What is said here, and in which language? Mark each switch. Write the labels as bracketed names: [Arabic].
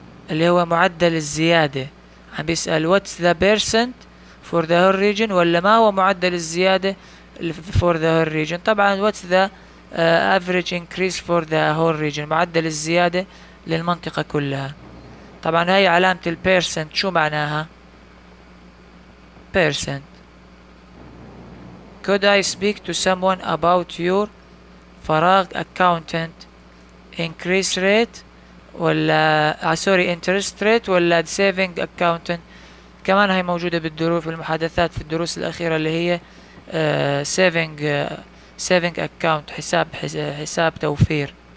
[Arabic] اللي هو معدل الزيادة، عم بيسأل [English] what's the percent for the whole region [Arabic] ولا ما هو معدل الزيادة [English] for the whole region. [Arabic] طبعا [English] what's the average increase for the whole region، [Arabic] معدل الزيادة للمنطقة كلها. طبعا هاي علامة البيرسنت شو معناها؟ بيرسنت. [English] Could I speak to someone about your [Arabic] فراغ [English] accountant increase rate ولا sorry interest rate ولا saving accountant. [Arabic] كمان هاي موجودة بالدروس في المحادثات في الدروس الأخيرة اللي هي saving account، حساب توفير.